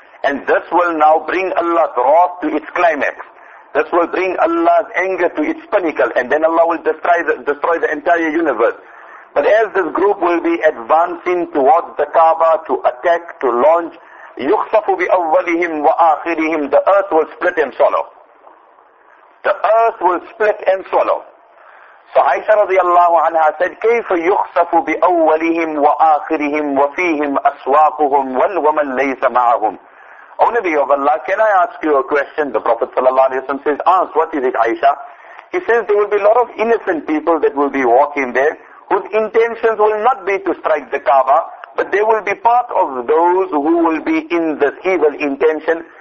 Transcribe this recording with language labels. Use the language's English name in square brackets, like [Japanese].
[English] And this will now bring Allah's wrath to its climax. This will bring Allah's anger to its pinnacle, and then Allah will destroy the entire universe. But as this group will be advancing towards the Kaaba to attack, to launch, [Arabic] يُخْصَفُ بِأَوَّلِهِمْ وَآخِرِهِمْ, [English] the earth will split and swallow. The earth will split and swallow. So Aisha radiallahu anha said, [Arabic] كَيْفَ يُخْصَفُ بِأَوَّلِهِمْ وَآخِرِهِمْ وَفِيهِمْ أَسْوَاقُهُمْ وَالْوَمَنْ لَيْسَ مَعَهُمْ. [English] O Nabi of Allah, can I ask you a question? The Prophet sallallahu alayhi wa sallam says, ask, what is it, Aisha? He says, there will be a lot of innocent people that will be walking there, whose intentions will not be to strike the Kaaba, but they will be part of those who will be in this evil intention.